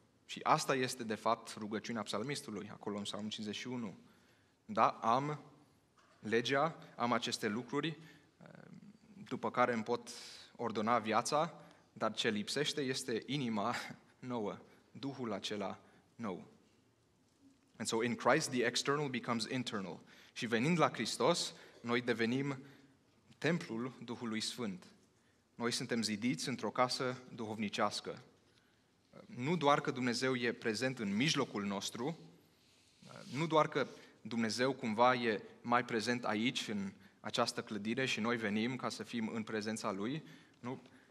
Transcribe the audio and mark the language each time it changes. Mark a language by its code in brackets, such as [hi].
[ro] Și asta este, de fapt, rugăciunea psalmistului, acolo în Psalm 51. Da, am legea, am aceste lucruri, după care îmi pot ordona viața, dar ce lipsește este inima nouă, Duhul acela nou. [en] And so in Christ the external becomes internal. [ro] Și venind la Hristos, noi devenim templul Duhului Sfânt. Noi suntem zidiți într-o casă duhovnicească. Nu doar că Dumnezeu e prezent în mijlocul nostru, nu doar că Dumnezeu cumva e mai prezent aici, în această clădire și noi venim ca să fim în prezența Lui, nu?